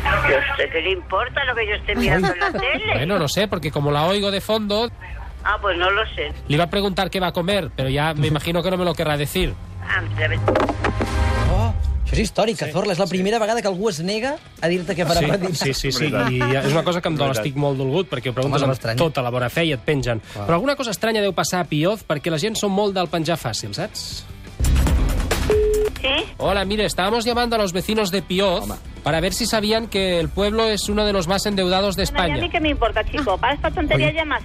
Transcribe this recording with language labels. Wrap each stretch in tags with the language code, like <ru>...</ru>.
<es>Yo sé que le importa lo que yo esté mirando en la tele. Bueno, no sé, porque como la oigo de fondo... Ah, pues no lo sé. Le iba a preguntar qué va a comer, pero ya me imagino que no me lo querrá decir.</es> <ca>És històric, Cazorla. Sí, és la primera vegada que algú es nega a dir-te què farà per dinar. Sí. I és una cosa que em dol, estic molt dolgut, perquè ho preguntes amb tota la bona fe i et pengen. Ah. Però alguna cosa estranya deu passar a Pioz, perquè la gent són molt del penjar fàcil, saps? Sí?</ca> <es>Hola, mire, estábamos llamando a los vecinos de Pioz. Home. Para ver si sabían que el pueblo es uno de los más endeudados de España. A mi que me importa, chico. Para esta tontería ya más.</es>